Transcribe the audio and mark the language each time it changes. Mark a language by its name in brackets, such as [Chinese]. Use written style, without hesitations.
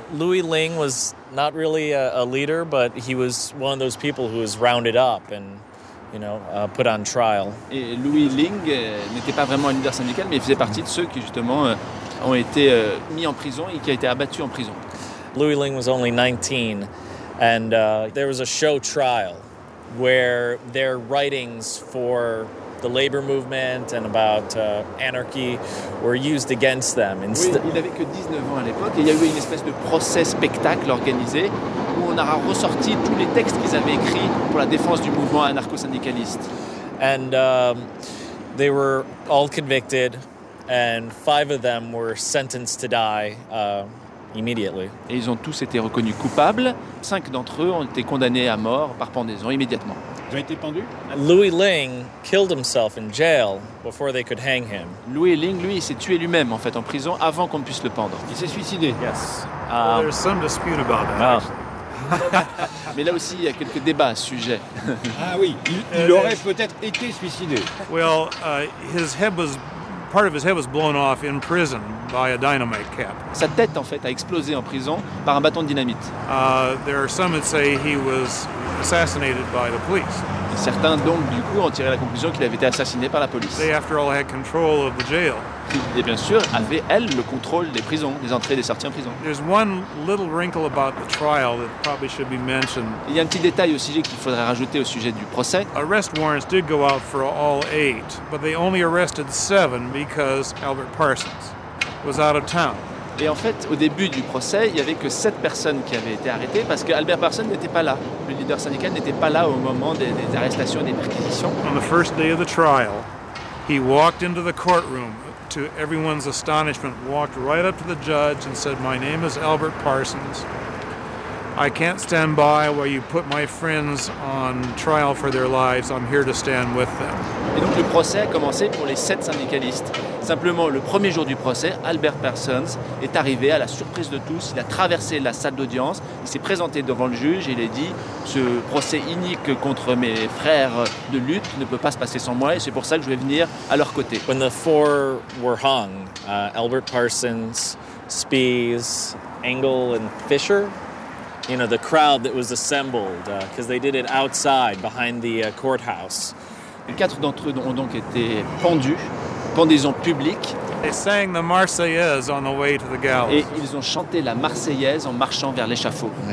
[English] Louis Ling was not really a leader, but he was one of those people who was rounded up and, you know, put on trial. [French] Et Louis Ling n'était pas vraiment un leader syndical, mais il faisait partie de ceux qui justement ont été mis en prison et qui a été abattu en prison. [English] Louis Ling was only 19, and there was a show trial where their writings for the labor movement and about anarchy were used against them. [French] Oui, il n'avait que 19 ans à l'époque, et il y a eu une espèce de procès-spectacle organisé où on a ressorti tous les textes qu'ils avaient écrits pour la défense du mouvement anarcho-syndicaliste. [English] And they were all convicted, and five of them were sentenced to die immediately. [French] Et ils ont tous été reconnus coupables. Cinq d'entre eux ont été condamnés à mort par pendaison immédiatement. Ils ont été pendus. Louis Ling killed himself in jail before they could hang him. Louis Ling, lui, s'est tué lui-même en fait en prison avant qu'on puisse le pendre. Il s'est suicidé. [English] Yes. Well, there's some dispute about that. Oh. [French] Mais là aussi, il y a quelques débats à ce sujet. Ah oui, il aurait peut-être été suicidé. [English] Well, his head was part of his head was blown off in prison by a dynamite cap. [French] Sa tête en fait a explosé en prison par un bâton de dynamite. [English] There are some that say he was assassinated by the police. [French] Et certains donc du coup ont tiré la conclusion qu'il avait été assassiné par la police. [English] They after all had control of the jail. [French] Et bien sûr, avait elle le contrôle des prisons, des entrées et des sorties en prison. [English] There's one little wrinkle about the trial that probably should be mentioned. [French] Il y a un petit détail au sujet qu'il faudrait rajouter au sujet du procès. [English] Arrest warrants did go out for all eight, but they only arrested seven because Albert Parsons was out of town. [French] Et en fait, au début du procès, il n'y avait que 7 personnes qui avaient été arrêtées parce qu'Albert Parsons n'était pas là. Le leader syndical n'était pas là au moment des arrestations, des perquisitions. [English] On the first day of the trial, he walked into the courtroom. To everyone's astonishment, walked right up to the judge and said, "My name is Albert Parsons. I can't stand by while you put my friends on trial for their lives. I'm here to stand with them." [French] Et donc le procès a commencé pour les 7 syndicalistes. Simplement, le premier jour du procès, Albert Parsons est arrivé à la surprise de tous. Il a traversé la salle d'audience, il s'est présenté devant le juge et il a dit « Ce procès inique contre mes frères de lutte ne peut pas se passer sans moi et c'est pour ça que je vais venir à leur côté. » [English] When the four were hung, Albert Parsons, Spies, Engel and Fisher, you know, the crowd that was assembled, because they did it outside, behind the courthouse. [French] Les 4 d'entre eux ont donc été pendus. Pendaison publique. [English] They sang the Marseillaise on the way to the gallows. [French] Et ils ont chanté la Marseillaise en marchant vers l'échafaud.